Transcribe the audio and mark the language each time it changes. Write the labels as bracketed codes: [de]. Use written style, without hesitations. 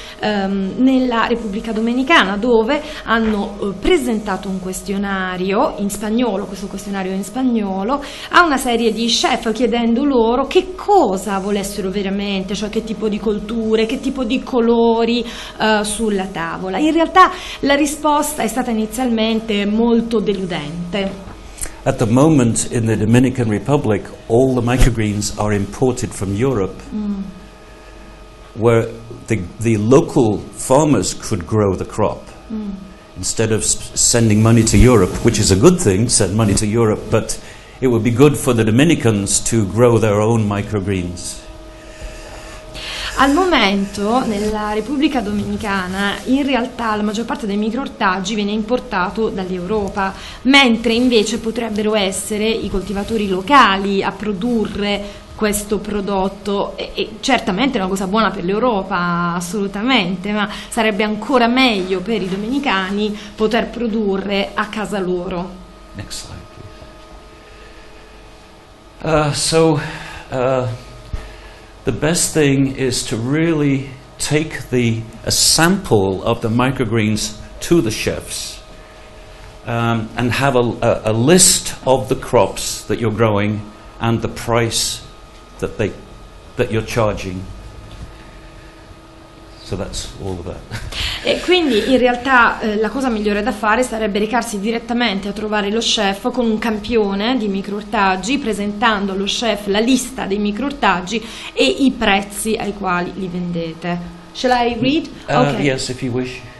[it] nella Repubblica Dominicana, dove hanno presentato un questionario in spagnolo, questo questionario in spagnolo, a una serie di chef chiedendo loro che cosa volessero veramente, cioè che tipo di colture, che tipo di colori sulla tavola. In realtà la risposta è stata inizialmente molto deludente. [en] At the moment in the Dominican Republic, all the microgreens are imported from Europe, where the local farmers could grow the crop instead of sending money to Europe, which is a good thing, send money to Europe, but it would be good for the Dominicans to grow their own microgreens. [it] Al momento nella Repubblica Dominicana in realtà la maggior parte dei microortaggi viene importato dall'Europa, mentre invece potrebbero essere i coltivatori locali a produrre questo prodotto, e certamente è una cosa buona per l'Europa, assolutamente, ma sarebbe ancora meglio per i dominicani poter produrre a casa loro. [en] Next slide, please. The best thing is to really take a sample of the microgreens to the chefs and have a list of the crops that you're growing and the price that you're charging. So that's all of that. [it] E quindi in realtà la cosa migliore da fare sarebbe recarsi direttamente a trovare lo chef con un campione di microortaggi, presentando allo chef la lista dei microortaggi e i prezzi ai quali li vendete. [en] Shall I read? Okay. Yes, if you wish.